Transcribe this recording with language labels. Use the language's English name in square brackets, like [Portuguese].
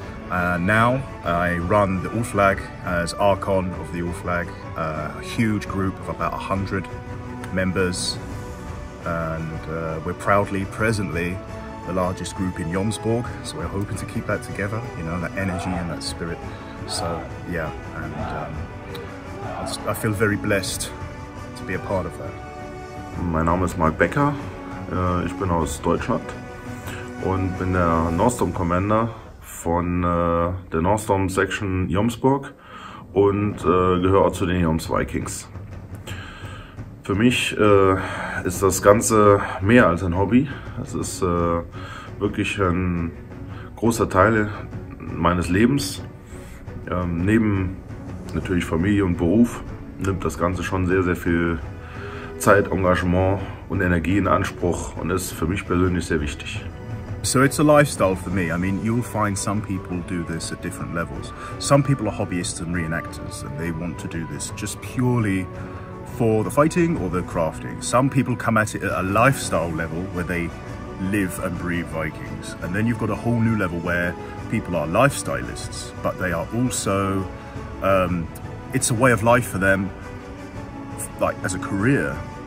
[English] Now I run the Ulflag as Archon of the Ulflag, a huge group of about 100 members. And we're proudly, presently, the largest group in Jomsborg. So we're hoping to keep that together, you know, that energy and that spirit. So yeah, and I feel very blessed to be a part of that. My name is Mark Becker, [German] ich bin aus Deutschland und bin der Nordstorm Commander von der Nordstorm Section Jomsborg und gehöre auch zu den Joms Vikings. Für mich ist das Ganze mehr als ein Hobby. Es ist wirklich ein großer Teil meines Lebens. Neben natürlich Familie und Beruf nimmt das Ganze schon sehr, sehr viel Zeit, Engagement und Energie in Anspruch und ist für mich persönlich sehr wichtig. [English] So it's a lifestyle for me. I mean, you'll find some people do this at different levels. Some people are hobbyists and reenactors and they want to do this just purely for the fighting or the crafting. Some people come at it at a lifestyle level where they live and breathe Vikings. And then you've got a whole new level where people are lifestylists, but they are also, it's a way of life for them, like as a career.